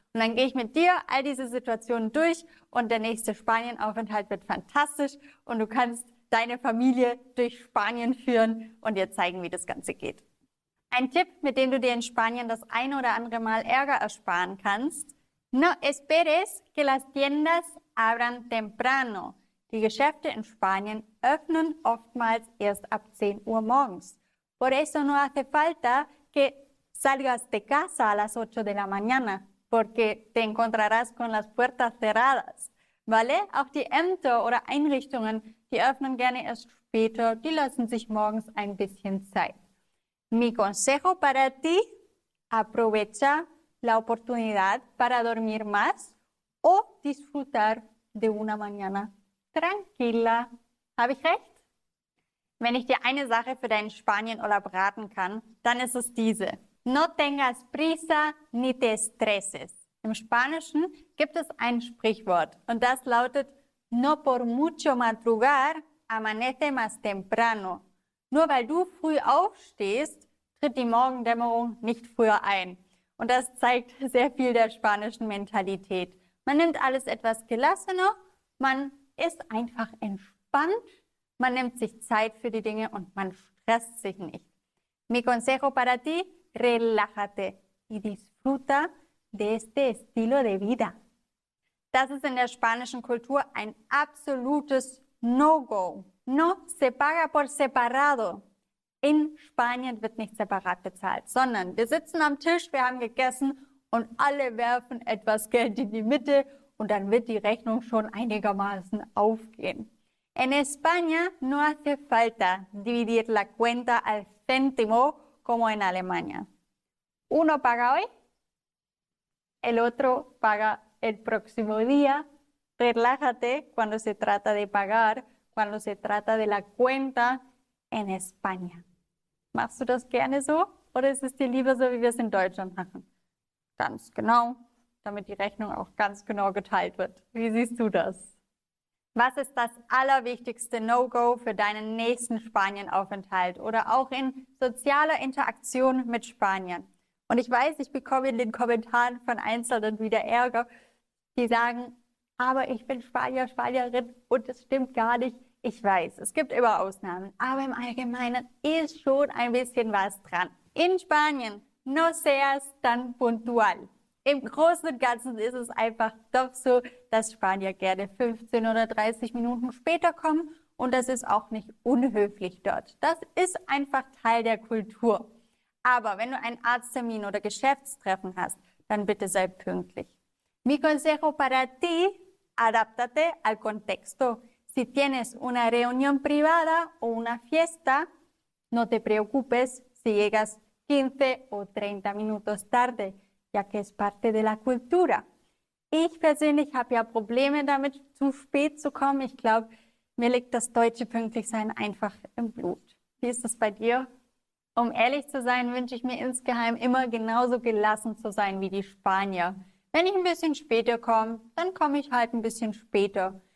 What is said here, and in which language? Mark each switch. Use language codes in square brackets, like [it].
[de] Und dann gehe ich mit dir all diese Situationen durch und der nächste Spanienaufenthalt wird fantastisch und du kannst deine Familie durch Spanien führen und dir zeigen, wie das Ganze geht. Ein Tipp, mit dem du dir in Spanien das ein oder andere Mal Ärger ersparen kannst: [es] No esperes que las tiendas abran temprano. [de] Die Geschäfte in Spanien öffnen oftmals erst ab 10 Uhr morgens. [es] Por eso no hace falta que salgas de casa a las 8 de la mañana, porque te encontrarás con las puertas cerradas. ¿Vale? [de] Auch die Ämter oder Einrichtungen, die öffnen gerne erst später, die lassen sich morgens ein bisschen Zeit. [es] Mi consejo para ti: aprovecha la oportunidad para dormir más o disfrutar de una mañana tranquila. [de] Habe ich recht? Wenn ich dir eine Sache für deinen Spanienurlaub raten kann, dann ist es diese: [es] No tengas prisa ni te estreses. [de] Im Spanischen gibt es ein Sprichwort und das lautet: [es] No por mucho madrugar, amanece más temprano. [de] Nur weil du früh aufstehst, tritt die Morgendämmerung nicht früher ein. Und das zeigt sehr viel der spanischen Mentalität. Man nimmt alles etwas gelassener, man ist einfach entspannt, man nimmt sich Zeit für die Dinge und man stresst sich nicht. [es] Mi consejo para ti: relájate y disfruta de este estilo de vida. [de] Das ist in der spanischen Kultur ein absolutes No-Go. [es] No se paga por separado. [de] In Spanien wird nicht separat bezahlt, sondern wir sitzen am Tisch, wir haben gegessen und alle werfen etwas Geld in die Mitte und dann wird die Rechnung schon einigermaßen aufgehen. [es] En España no hace falta dividir la cuenta al céntimo como en Alemania. Uno paga hoy, el otro paga el próximo día. Relájate cuando se trata de pagar, cuando se trata de la cuenta en España. [de] ¿Machst du das gerne so? Oder ist es dir lieber so, wie wir es in Deutschland machen? Ganz genau, damit die Rechnung auch ganz genau geteilt wird. Wie siehst du das? Was ist das allerwichtigste No-Go für deinen nächsten Spanienaufenthalt oder auch in sozialer Interaktion mit Spaniern? Und ich weiß, ich bekomme in den Kommentaren von Einzelnen wieder Ärger, die sagen: Aber ich bin Spanier, Spanierin und es stimmt gar nicht. Ich weiß, es gibt immer Ausnahmen, aber im Allgemeinen ist schon ein bisschen was dran. In Spanien, [es] no seas tan puntual. [de] Im Großen und Ganzen ist es einfach doch so, dass Spanier gerne 15 oder 30 Minuten später kommen und das ist auch nicht unhöflich dort. Das ist einfach Teil der Kultur. Aber wenn du einen Arzttermin oder Geschäftstreffen hast, dann bitte sei pünktlich. [es] Mi consejo para ti: adáptate al contexto. Si tienes una reunión privada o una fiesta, no te preocupes si llegas 15 o 30 minutos tarde, ya que es parte de la cultura. [de] Ich persönlich habe ja Probleme damit, zu spät zu kommen. Ich glaube, mir liegt das deutsche Pünktlichsein einfach im Blut. Wie ist das bei dir? Um ehrlich zu sein, wünsche ich mir insgeheim immer genauso gelassen zu sein wie die Spanier. Wenn ich ein bisschen später komme, dann komme ich halt ein bisschen später.